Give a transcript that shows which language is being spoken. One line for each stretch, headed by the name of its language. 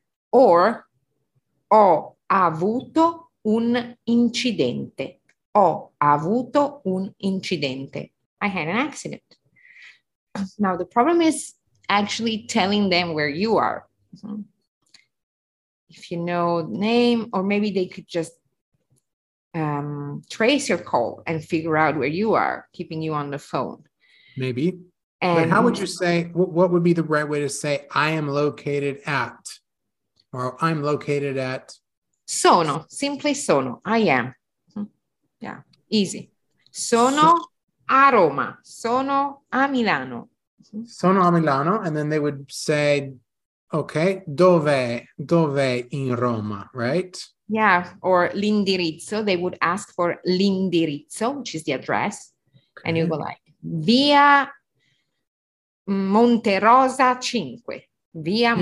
Italian: Or ho avuto un incidente. Ho avuto un incidente.
English: I had an accident. Now, the problem is actually telling them where you are. If you know the name, or maybe they could just trace your call and figure out where you are, keeping you on the phone. Maybe, but how would you And say, what would be the right way to say, I am located at, or I'm located at? sono, simply sono, I am. Yeah, easy. So,
Italian: Sono a Roma, sono a Milano. sono a Milano,
English: and then they would say, okay,
Italian: dove in Roma,
English: right? Yeah, or l'indirizzo, they would ask for l'indirizzo, which is the address, and you go Okay. like Via Monte Rosa 5, Via